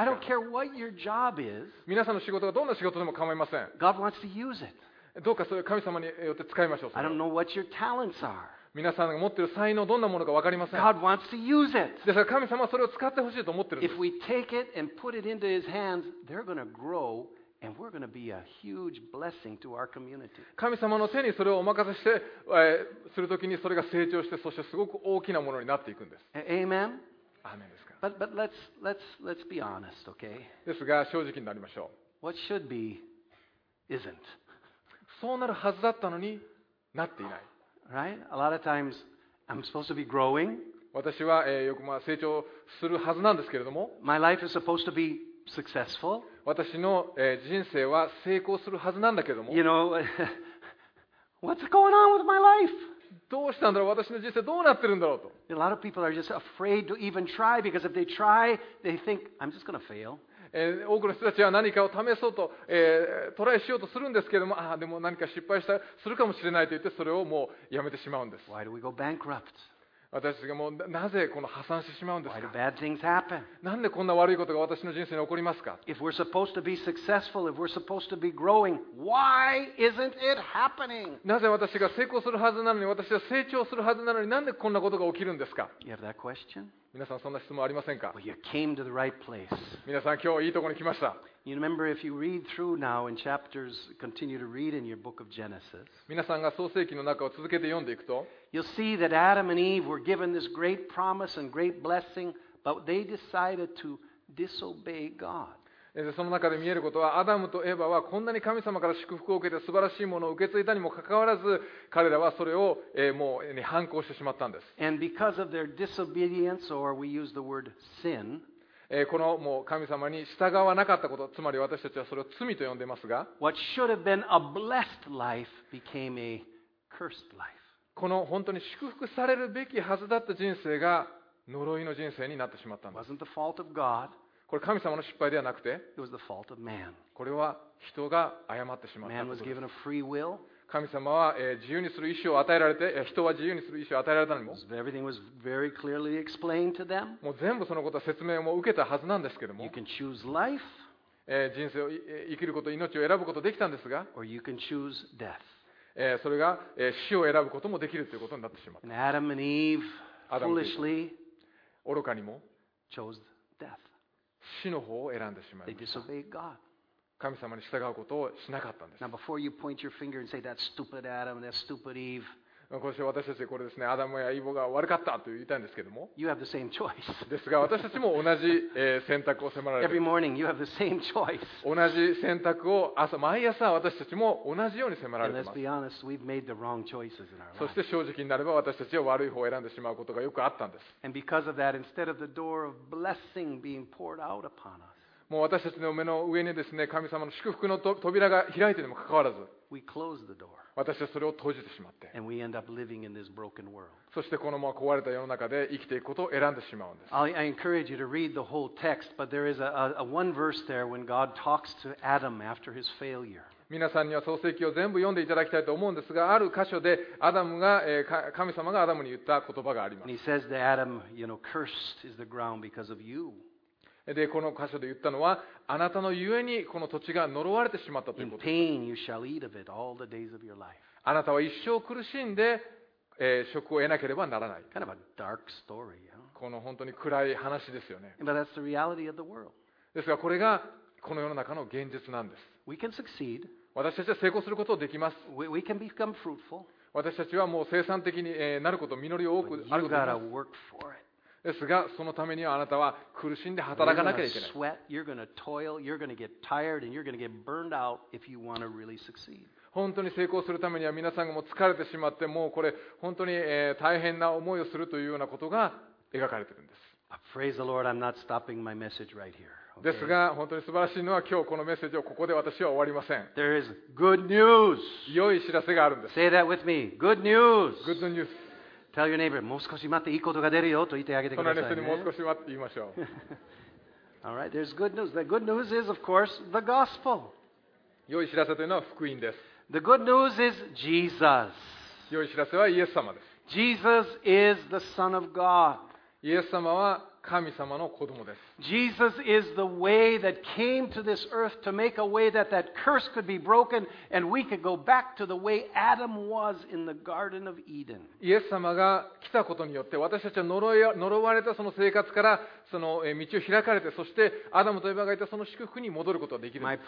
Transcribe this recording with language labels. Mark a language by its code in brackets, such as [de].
[en] I don't care what your job is. [ja] 皆さんの仕事がどんな仕事でも構いません。 [en] God wants to use it. [ja] どうかそれを神様によって使いましょう。 [en] I don't know what your talents are. [ja] 皆さんが持っている才能どんなものか分かりません。 [en] God wants to use it. [ja] ですから神様はそれを使ってほしいと思っているんです。 [en] If we take it and put it into his hands, they're going to grow. And we're going to be a huge blessing to our community. [ja] 神様の手にそれをお任せして、するときにそれが成長して、そしてすごく大きなものになっていくんです。 [en] Amen. [ja] アーメンですか。 [en] But let's be honest, okay? [ja] ですが正直になりましょう。 [en] What should be isn't. [ja] そうなるはずだったのになっていない。 [en] Right? A lot of times I'm supposed to be growing. [ja] 私は、よくまあ成長するはずなんですけれども。 [en] My life is supposed to be successful. [ja] 私の人生は成功するはずなんだけども [en] You know, what's going on with my life? [ja] どうしたんだろう私の人生どうなってるんだろうと [en] A lot of people are just afraid to even try because if they try, they think, I'm just going to fail. [ja] 多くの人たちは何かを試そうと、トライしようとするんですけども、ああ、でも何か失敗したするかもしれないと言ってそれをもうやめてしまうんです。 [en] Why do we go bankrupt? [ja] 私たちがもうなぜこの破産してしまうんですか [en] Why do bad things happen? [ja] なんでこんな悪いことが私の人生に起こりますか [en] If we're supposed to be successful, if we're supposed to be growing, why isn't it happening? [ja] なぜ私が成功するはずなのに私は成長するはずなのになんでこんなことが起きるんですか [en] You have that question? [ja] 皆さんそんな質問ありませんか [en] Well, you came to the right place. [ja] 皆さん今日いいところに来ました [en] You remember if you read through now in chapters, continue to read in your book of Genesis. [ja] 皆さんが創世記の中を続けて読んでいくと [en] You'll see that Adam and Eve were given this great promise and great blessing, but they decided to disobey God. [ja] その中で見えることは、アダムとエバはこんなに神様から祝福を受けて素晴らしいものを受け継いだにもかかわらず、彼らはそれを、もう反抗してしまったんです。 [en] And because of their disobedience, or we use the word sin, [ja] このもう神様に従わなかったこと、つまり私たちはそれを罪と呼んでいますが、 [en] What should have been a blessed life became a cursed life. [ja] この本当に祝福されるべきはずだった人生が呪いの人生になってしまったんです。 [en] Wasn't the fault of God. [ja] これ神様の失敗ではなくて、 [en] It was the fault of man. [ja] これは人が誤ってしまったことです。 [en] Man was given a free will. [ja] 神様は自由にする意思を与えられて、人は自由にする意思を与えられたのにも、 [en] Everything was very clearly explained to them. [ja] もう全部そのことは説明を受けたはずなんですけども、 [en] You can choose life. [ja] 人生を生きること、命を選ぶことができたんですが、 [en] Or you can choose death. [ja] それが死を選ぶこともできるということになってしまった。アダムとエヴァ、 [en] foolishly、 [ja] 愚かにも、 [en] chose death。 [ja] 死の方を選んでしまいました。 [en] They disobeyed God。 [ja] 神様に従うことをしなかったんです。 [en] Now before you point your finger and say that stupid Adam, that stupid Eve。 [ja] 私たちはこれですね、アダムやイヴが悪かったと言いたいんですけども、 [en] You have the same choice。 [ja] ですが私たちも同じ選択を迫られて、 [en] Every morning you have the same choice。 [ja] 同じ選択を朝毎朝私たちも同じように迫られています。 [en] And let's be honest, we've made the wrong choices in our life。 [ja] そして正直になれば私たちは悪い方を選んでしまうことがよくあったんです。 [en] And because of that, instead of the door of blessing being poured out upon us。 [ja] もう私たちの目の上にですね、神様の祝福の扉が開いてでもかかわらず、 [en] We close the door。 [ja] 私はそれを閉じてしまって、 [en] And we end up living in this broken world. [ja] そしてこのまま壊れた世の中で生きていくことを選んでしまうんです。 [en] I encourage you to read the whole text, but there is a one verse there when God talks to Adam after his failure. [ja] 皆さんには創世記を全部読んでいただきたいと思うんですが、ある箇所でアダムが神様がアダムに言った言葉があります。 [en] And he says to Adam, you know, cursed is the ground because of you. [ja] でこの箇所で言ったのはあなたのゆえにこの土地が呪われてしまったということです。 [en] In pain you shall eat of it all the days of your life. [ja] あなたは一生苦しんで職を得なければならない。 [en] Kind of a dark story, huh? [ja] この本当に暗い話ですよね。 [en] But that's the reality of the world. [ja] ですがこれがこの世の中の現実なんです。 [en] We can succeed. [ja] 私たちは成功することをできます。 [en] We can become fruitful. [ja] 私たちはもう生産的になること、実りを多くあることになります。 [en] But you gotta work for it. [ja] ですがそのためにはあなたは苦しんで働かなきゃいけない。 [en] You're gonna sweat, you're gonna toil, you're gonna get tired, and you're gonna get burned out if you wanna really succeed. [ja] 本当に成功するためには皆さんがもう疲れてしまってもうこれ本当に大変な思いをするというようなことが描かれているんです。 [en] Praise the Lord, I'm not stopping my message right here. [ja] ですが本当に素晴らしいのは今日このメッセージをここで私は終わりません。 [en] There is good news. [ja] 良い知らせがあるんです。 [en] Say that with me. Good news. Good news. Tell your neighbor, [ja] もう少し待っていいことが出るよと言ってあげてくださいね。隣の人にもう少し待って言いましょう。 [en] All right. There's good news. The good news is, of course, the gospel. [ja] 良い知らせというのは福音です。 [en] The good news is Jesus. [ja] 良い知らせはイエス様です。 [en] Jesus is the Son of God. [ja] イエス様は神様の子供です。 [en] Jesus is the way that came to this earth to make a way that that curse could be broken and we could go back to the way Adam was in the Garden of Eden. [ja] イエス様が来たことによって私たちは呪われたその生活からその道を開かれてそしてアダムとエバがいたその祝福に戻ることができるんです。